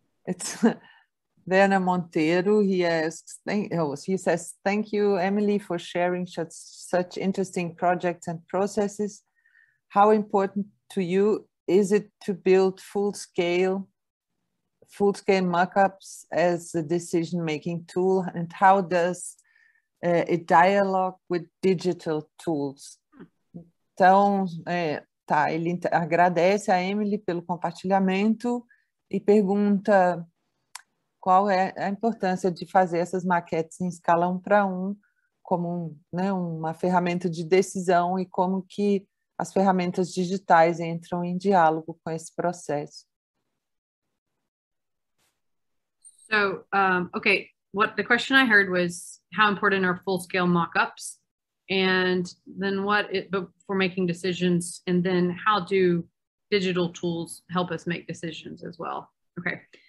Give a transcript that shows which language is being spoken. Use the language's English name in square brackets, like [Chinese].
[English] It's Werner Monteiro, he says, thank you, Emily, for sharing such interesting projects and processes. How important to you is it to build full-scale mockups as a decision-making tool, and how does it dialogue with digital tools? [Portuguese] Então, ele agradece a Emily pelo compartilhamento e pergunta qual é a importância de fazer essas maquetes em escala 1:1 como uma ferramenta de decisão e como que as ferramentas digitais entram em diálogo com esse processo. [English] So, okay, what the question I heard was how important are full-scale mockups, and then what it, for making decisions, and then how do digital tools help us make decisions as well? Okay.